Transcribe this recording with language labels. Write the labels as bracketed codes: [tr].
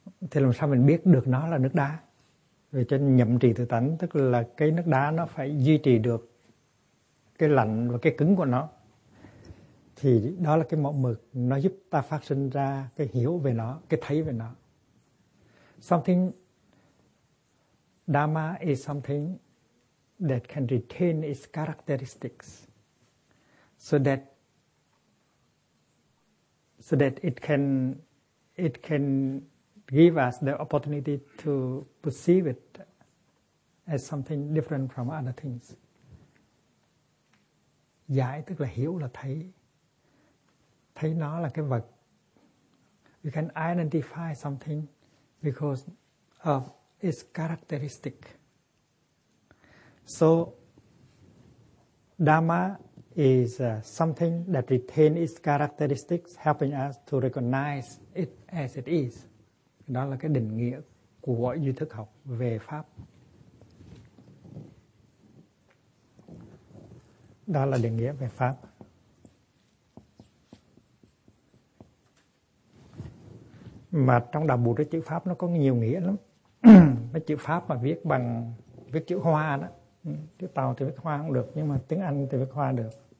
[vi] thì làm sao mình biết được nó là nước đá? Vì cho nhậm trì tự tánh, tức là cái nước đá nó phải duy trì được cái lạnh và cái cứng của nó. Thì đó là cái mẫu mực, nó giúp ta phát sinh ra cái hiểu về nó, cái thấy về nó. [en] Something, Dharma is something that can retain its characteristics so that it can give us the opportunity to perceive it as something different from other things. [vi] Giải tức là hiểu, là thấy. Thấy nó là cái vật. [en] We can identify something because of its characteristic. So, Dharma is something that retains its characteristics, helping us to recognize it as it is. [vi] Đó là cái định nghĩa của duy thức học về Pháp. Đó là định nghĩa về Pháp. Mà trong Đạo Bụt, cái chữ Pháp nó có nhiều nghĩa lắm. Cái chữ Pháp mà viết bằng viết chữ Hoa đó, chữ Tàu thì viết Hoa cũng được, nhưng mà tiếng Anh thì viết Hoa được.